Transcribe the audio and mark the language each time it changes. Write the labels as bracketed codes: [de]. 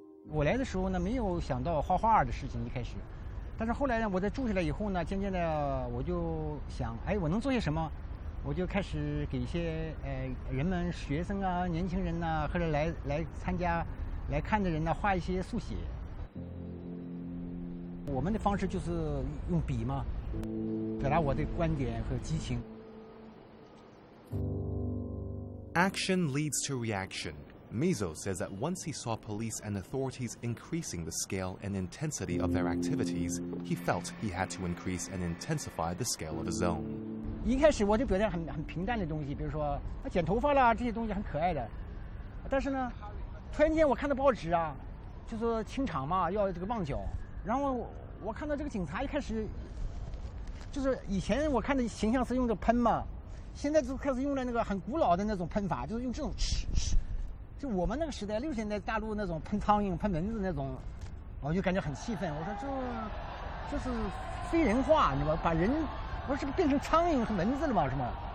[zh] 我来的时候呢没有想到画画的事情一开始，但是后来呢我在住下来以后呢，渐渐的我就想，哎，我能做些什么，我就开始给一些人们，学生啊，年轻人呢、啊、或者来参加来看的人呢，画一些速写。我们的方式就是用笔嘛，表达我的观点和激情。 [en] Action leads to reaction. Mizo says that once he saw police and authorities increasing the scale and intensity of their activities, he felt he had to increase and intensify the scale of his own. [zh] 一开始我就表现很平淡的东西，比如说剪头发啦，这些东西很可爱的。但是呢，突然间我看到报纸啊，就是清场嘛，要这个旺角。然后我看到这个警察一开始就是以前我看的形象是用的喷嘛，现在就开始用了那个很古老的那种喷法，就是用这种嘶嘶，就我们那个时代六十年代大陆那种喷苍蝇喷蚊子那种，我就感觉很气愤，我说这是非人化，你知道吧，把人我说这个变成苍蝇和蚊子了嘛，是吗？